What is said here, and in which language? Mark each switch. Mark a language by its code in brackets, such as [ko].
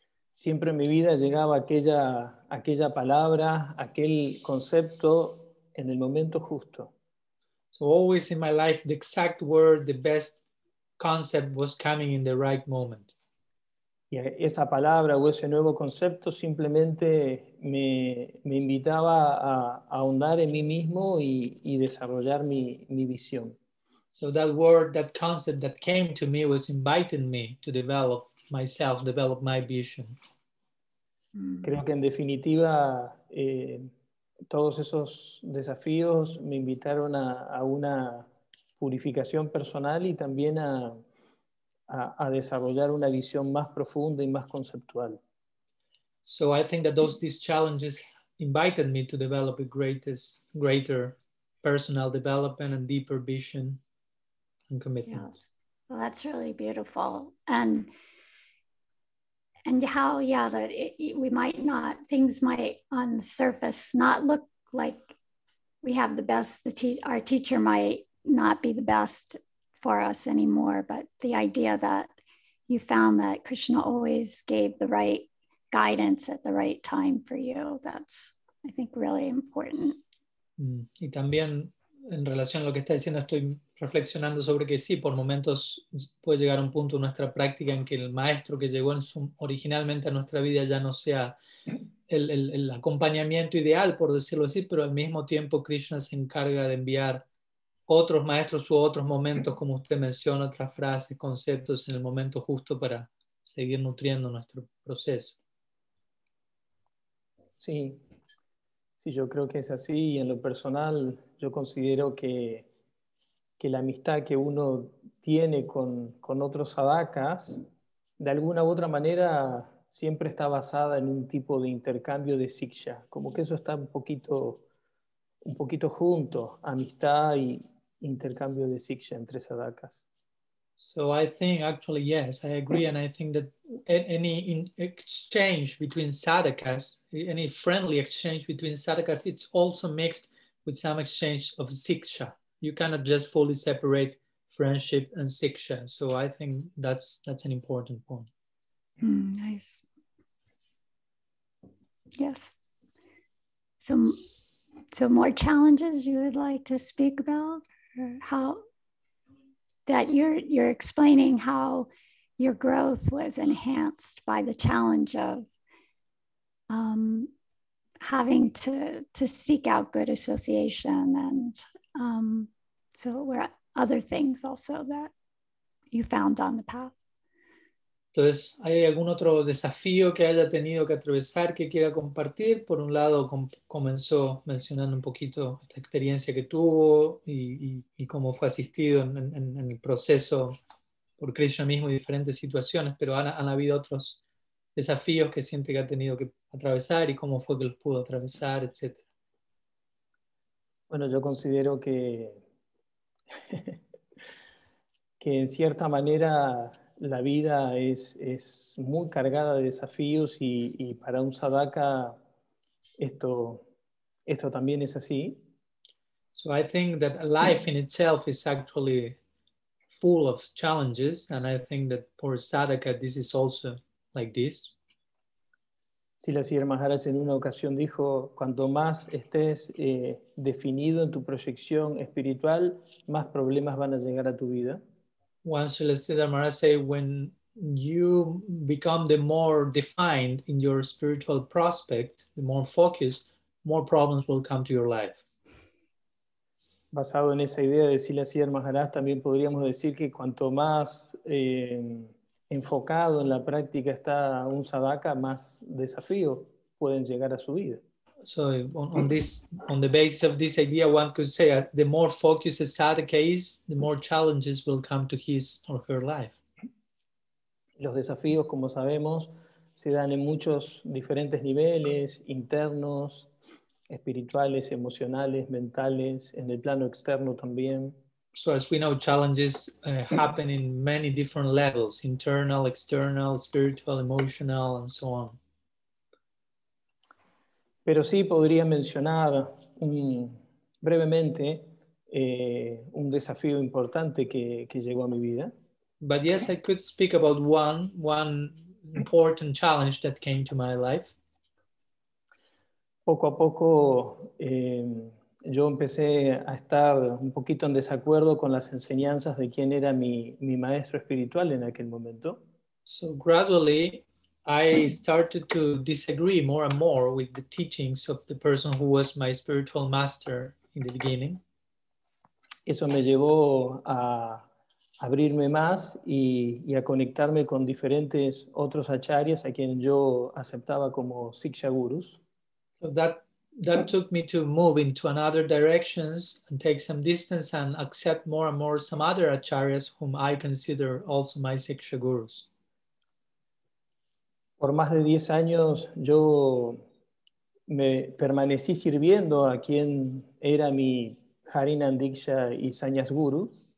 [es] Siempre en mi vida llegaba aquella palabra, aquel concepto en el momento justo. [en] So always in my life, the exact word, the best concept was coming in the right moment. [es] Y esa palabra o ese nuevo concepto simplemente me invitaba a ahondar en mí mismo y desarrollar mi visión. [en] So that word, that concept that came to me was inviting me to develop myself, develop my vision. [es] Creo que en definitiva todos esos desafíos me invitaron a una purificación personal y también a desarrollar una visión más profunda y más conceptual. [en] So I think that these challenges invited me to develop a greater personal development and deeper vision and commitment. Yes. Well, that's really beautiful. And how, yeah, that we might not, things might on the surface not look like we have the best, our teacher might not be the best for us anymore, but the idea that you found that Krishna always gave the right guidance at the right time for you, that's, I think, really important. [es] Y también en relación a lo que está diciendo, estoy reflexionando sobre que sí, por momentos puede llegar a un punto en nuestra práctica en que el maestro que llegó originalmente a nuestra vida ya no sea el acompañamiento ideal, por decirlo así, pero al mismo tiempo Krishna se encarga de enviar otros maestros u otros momentos, como usted menciona, otras frases, conceptos en el momento justo para seguir nutriendo nuestro proceso. Sí. Sí, yo creo que es así, y en lo personal yo considero que la amistad que uno tiene con otros sadhakas, de alguna u otra manera, siempre está basada en un tipo de intercambio de siksha. Como que eso está un poquito junto, amistad y intercambio de siksha entre sadhakas. [en] So I think, actually, yes, I agree, and I think that any exchange between sadhakas, any friendly exchange between sadhakas, it's also mixed with some exchange of siksha. You cannot just fully separate friendship and siksha. So I think that's an important point. Nice. Yes. So more challenges you would like to speak about? That you're explaining how your growth was enhanced by the challenge of having to seek out good association, and so were other things also that you found on the path. [es] Entonces, ¿hay algún otro desafío que haya tenido que atravesar que quiera compartir? Por un lado, comenzó mencionando un poquito esta experiencia que tuvo y cómo fue asistido en el proceso por Krishna mismo y diferentes situaciones, pero han habido otros desafíos que siente que ha tenido que atravesar y cómo fue que los pudo atravesar, etc. Bueno, yo considero que que en cierta manera la vida es muy cargada de desafíos y para un sadhaka esto también es así. [en] So I think that life in itself is actually full of challenges, and I think that for a sadhaka this is also like this. [es] Srila Sridhar Maharaj en una ocasión dijo, cuanto más estés definido en tu proyección espiritual, más problemas van a llegar a tu vida. [en] Once Srila Sridhar Maharaj said, when you become the more defined in your spiritual prospect, the more focused, more problems will come to your life. [es] Basado en esa idea de Srila Sridhar Maharaj, también podríamos decir que cuanto más enfocado en la práctica está un sadhaka, más desafíos pueden llegar a su vida. [en] So on the basis of this idea, one could say that the more focused a sadhaka is, the more challenges will come to his or her life. [es] Los desafíos, como sabemos, se dan en muchos diferentes niveles, internos, espirituales, emocionales, mentales, en el plano externo también. [en] So as we know, challenges happen in many different levels, internal, external, spiritual, emotional, and so on. [es] Pero sí podría mencionar brevemente un desafío importante que llegó a mi vida. [en] But yes, I could speak about one important challenge that came to my life. [es] Poco a poco yo empecé a estar un poquito en desacuerdo con las enseñanzas de quien era mi maestro espiritual en aquel momento. [en] So gradually I started to disagree more and more with the teachings of the person who was my spiritual master in the beginning. [es] eso me llevó a abrirme más y a conectarme con diferentes otros acharyas a quien yo aceptaba como siksha gurus. [en] So that took me to move into another directions and take some distance and accept more and more some other acharyas whom I consider also my siksha gurus. [es] Por más de 10 años yo me permanecí sirviendo a quien era mi Harinam Diksha y Sanyas Guru.